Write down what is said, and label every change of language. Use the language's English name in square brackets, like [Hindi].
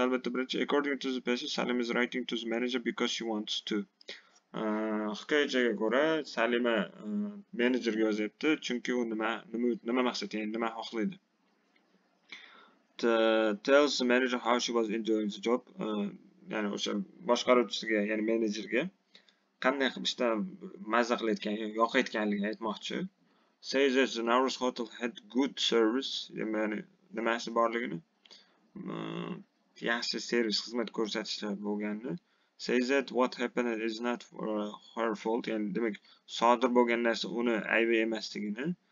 [Uzbek] Albatta, birinchi [English] according to the page, Salim is writing to the manager because she wants to. [Uzbek] Hikoyaga ko'ra, Salima menejerga yozibdi, chunki u nima maqsad, ya'ni nima xohlaydi. [English] Tells the manager how she was enjoying the job. [Uzbek] Ya'ni o'sha boshqaruvchisiga, ya'ni menejerga qanday qilib ishdan mazza qilayotgan, yoqayotganligini aytmoqchi. [English] Says that the Navruz hotel had good service, [Uzbek] ya'ni nimasi borligini. Yaxshi servis xizmat ko'rsatishda bo'lganini. [English] Says that what happened is not her fault, [Uzbek] ya'ni demak, sodir bo'lgan narsa uni aybi emasligini.